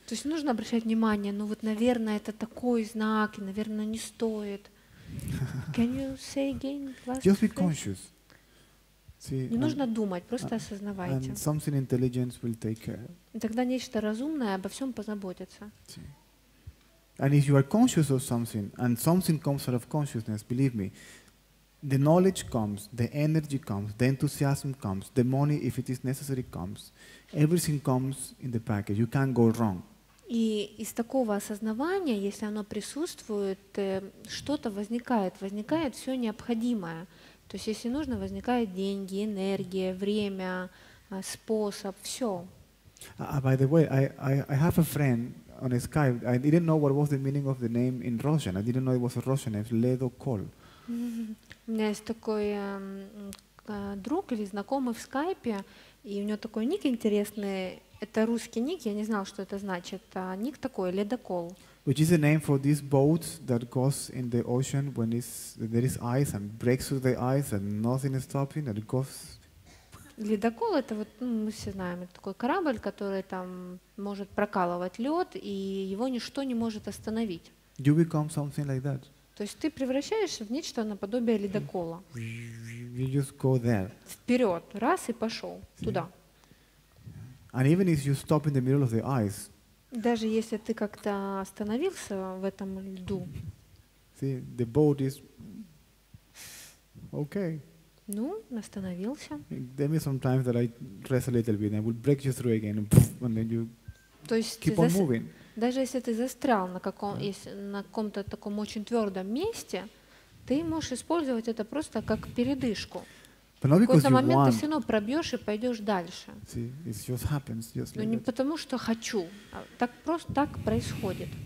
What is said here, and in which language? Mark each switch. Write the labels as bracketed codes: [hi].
[ru] То есть нужно обращать внимание. Ну вот, наверное, это такой знак, и, наверное, не стоит. [en] Can you say again? Just be conscious. [ru] Не нужно думать, просто осознавайте. [en] And something intelligent will take care. [ru] Тогда нечто разумное обо всем позаботится. [en] And if you are conscious of something, and something comes out of consciousness, believe me, the knowledge comes, the energy comes, the enthusiasm comes, the money, if it is necessary, comes. Everything comes in the package. You can't go wrong. [ru] И из такого осознавания, если оно присутствует, что-то возникает, возникает все необходимое. То есть, если нужно, возникают деньги, энергия, время, способ, все. [en] By the way, I have a friend on Skype. I didn't know what was the meaning of the name in Russian. I didn't know it was a Russian. It's Ledokol. [ru] У меня есть такой друг или знакомый в Skype, и у него такой ник интересный. Это русский ник. Я не знала, что это значит. Ник такой Ледокол. [en] Which is the name for this boat that goes in the ocean when there is ice and breaks through the ice and nothing is stopping and it goes. [ru] Ледокол — это вот, ну, мы все знаем, это такой корабль, который там может прокалывать лед, и его ничто не может остановить. [en] You become something like that. [ru] То То есть ты превращаешься в нечто наподобие ледокола. [en] You just go there. [ru] Вперед, раз и пошел туда. [en] And even if you stop in the middle of the ice. [ru] Даже если ты как-то остановился в этом льду. [en] See, the boat is okay. [ru] Ну, остановился. [en] There may be some times that I rest a little bit, and I will break you through again, and then you [ru] то есть [en] keep on moving. [ru] Даже если ты застрял на каком, если на каком-то таком очень твердом месте, ты можешь использовать это просто как передышку. В какой-то момент [en] want, [ru] ты все равно пробьешь и пойдешь дальше. [en] See, just [ru] но [en] like [ru] не потому что хочу, а так просто так происходит.